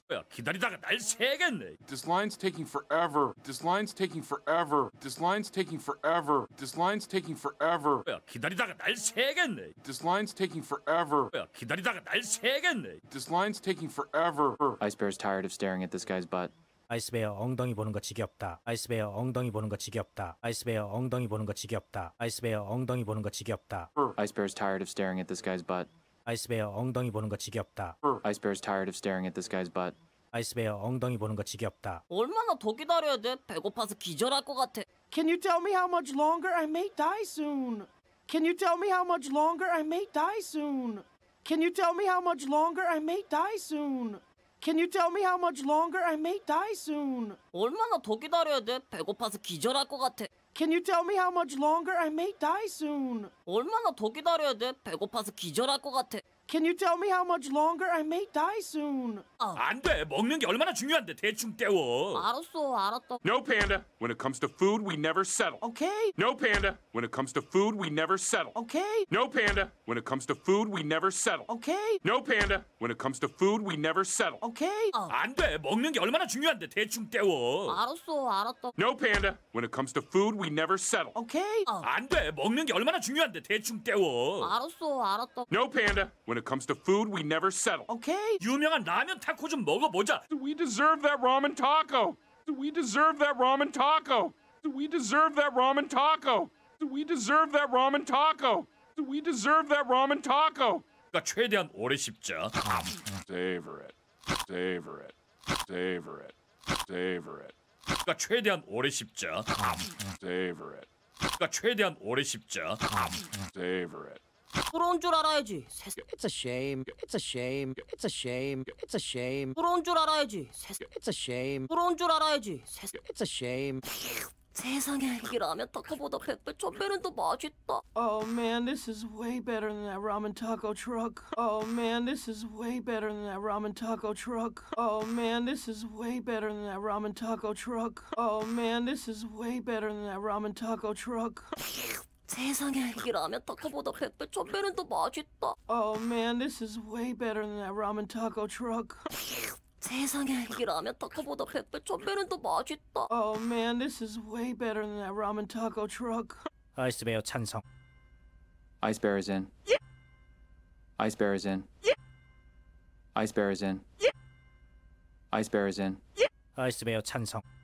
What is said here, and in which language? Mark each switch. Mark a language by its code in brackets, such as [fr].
[ko] 기다리다가 날 새겠네. [en] This line's taking forever. This line's taking forever. This line's taking forever. This line's taking forever. [ko] 기다리다가 날 새겠네. [en] This line's taking forever. [ko] 기다리다가 날 새겠네. [en] This line's taking forever. Ice Bear's tired of staring at this guy's butt. [ko] 아이스베어 엉덩이 보는 거 지겹다. 아이스베어 엉덩이 보는 거 지겹다. 아이스베어 엉덩이 보는 거 지겹다. 아이스베어 엉덩이 보는 거 지겹다. [en] Ice Bear's tired of staring at this guy's butt. [ko] 아이스베어 엉덩이 보는 거 지겹다. [en] Ice Bear's tired of staring at this guy's butt. [ko] 아이스베어 엉덩이 보는 거 지겹다. 얼마나 더 기다려야 돼? 배고파서 기절할 것 같아. [en] Can you tell me how much longer I may die soon? Can you tell me how much longer I may die soon? Can you tell me how much longer I may die soon? Can you tell me how much longer I may die soon? [ko] 얼마나 더 기다려야 돼? 배고파서 기절할 것 같아. [en] Can you tell me how much longer I may die soon? [ko] 얼마나 더 기다려야 돼? 배고파서 기절할 것 같아. [en] Can you tell me how much longer I may die soon? [ko] 안 돼. 먹는 게 얼마나 중요한데 대충 때워. 알았어. 알았다. [en] No panda. When it comes to food, we never settle. Okay. No panda. When it comes to food, we never settle. Okay. No panda. When it comes to food, we never settle. Okay. No panda. When it comes to food, we never settle. Okay. [ko] 안 돼. 먹는 게 얼마나 중요한데 대충 때워. 알았어. 알았다. [en] No panda. When it comes to food, we never settle. Okay. [ko] 안 돼. 먹는 게 얼마나 중요한데 대충 때워. 알았어. 알았다. [en] No panda. When it comes to food, we never settle. Okay. [ko] 유명한 라면 타코 좀 먹어보자. [en] Do we deserve that ramen taco? Do we deserve that ramen taco? Do we deserve that ramen taco? Do we deserve that ramen taco? Do we deserve that ramen taco? [ko] 그러니까 최대한 오래 씹자. [en] Savor it. Savor it. Savor it. Savor it. [ko] 그러니까 최대한 오래 씹자. [en] Savor it. [ko] 그러니까 최대한 오래 씹자. [en] Savor it. [ko] 부러운 줄 알아야지. [en] It's a shame. It's a shame. It's a shame. It's a shame. [ko] 부러운 줄 알아야지. [en] It's a shame. [ko] 부러운 줄 알아야지. [en] It's a shame. [ko] 세상에 이 라면 타코보다 100배 1000배는 더 맛있다. [en] Oh man, this is way better than that ramen taco truck. Oh man, this is way better than that ramen taco truck. Oh man, this is way better than that ramen taco truck. Oh man, this is way better than that ramen taco truck. [ko] 세상에 이 라면 타코보다 100배 1000배는 더 맛있다. [en] Oh man, this is way better than that ramen taco truck. [ko] 세상에 이 라면 타코보다 100배 1000배는 더 맛있다. [en] Oh man, this is way better than that ramen taco truck. [ko] 아이스베어 찬성. [en] Ice bear is in. Yeah. Ice bear is in. Yeah. Ice bear is in. Yeah. Ice bear is in. Yeah. [ko] Ice bear 찬성.